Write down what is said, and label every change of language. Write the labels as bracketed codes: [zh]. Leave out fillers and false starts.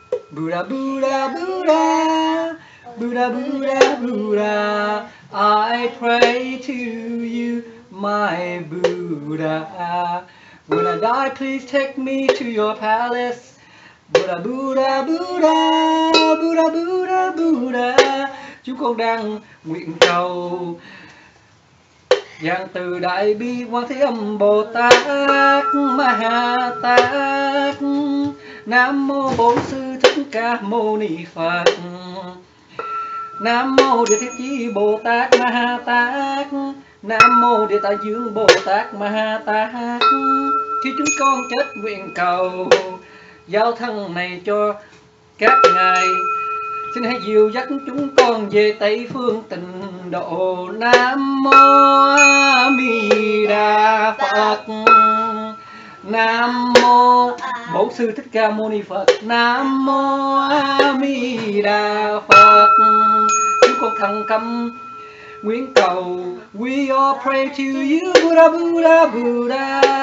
[en] Buddha, Buddha, Buddha. Buddha, Buddha, Buddha. I pray to you, my Buddha. When I die, please take me to your palace. Buddha, Buddha, Buddha. Buddha, Buddha, Buddha. [vi] Chúng con đang nguyện cầu giáng từ Đại Bi Quan Thế Âm Bồ Tát Ma Ha Tát. Nam Mô Bổn Sư Thích Ca Mâu Ni Phật. Nam Mô Địa Thế Chí Bồ Tát Ma Ha Tát. Nam mô Địa Tạng Vương Bồ Tát Ma Ha Tát. Khi chúng con kết nguyện cầu giao thân này cho các ngài, xin hãy dìu dắt chúng con về Tây Phương Tịnh Độ. Nam mô A Di Đà Phật. Nam mô Bổn Sư Thích Ca Mâu Ni Phật. Nam mô A Di Đà Phật. Chúng con thành tâm nguyện cầu. [en] We all pray to you, Buddha, Buddha, Buddha.